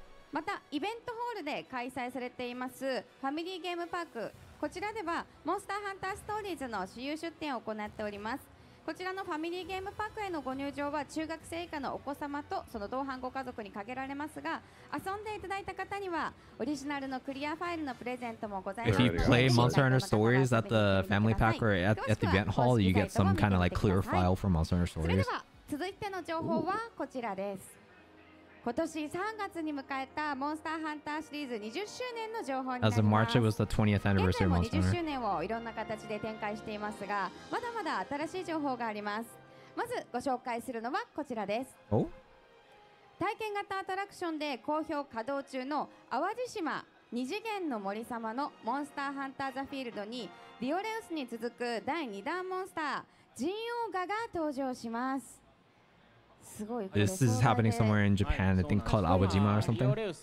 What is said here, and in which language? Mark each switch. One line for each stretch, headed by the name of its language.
Japanese: またイベントホールで開催されていますファミリーゲームパーク、こちらではモンスターハンターストーリーズの主流出展を行っております。こちらのファミリーゲームパークへのご入場は中学生以下のお子様とその同伴ご家族に限られますが、遊んでいただいた方にはオリジナルのクリアファイルのプレゼントもございます。
English: If you play Monster Hunter Stories at the family pack or at the event hall, you get some kind of like clear file for Monster Hunter Stories.
Japanese: それでは続いての情報はこちらです。今年3月に迎えたモンスターハンターシリーズ20周年の情報になります。
English: As of March, it was the 20th anniversary of Monster Hunter.
Japanese: 20周年をいろんな形で展開していますが、まだまだ新しい情報があります。まずご紹介するのはこちらです。お、体験型アトラクションで好評稼働中の淡路島二次元の森様のモンスターハンターザフィールドにリオレウスに続く第2弾モンスタージンオーガが登場します。
English: This is happening somewhere in Japan, I think called Awajima or something.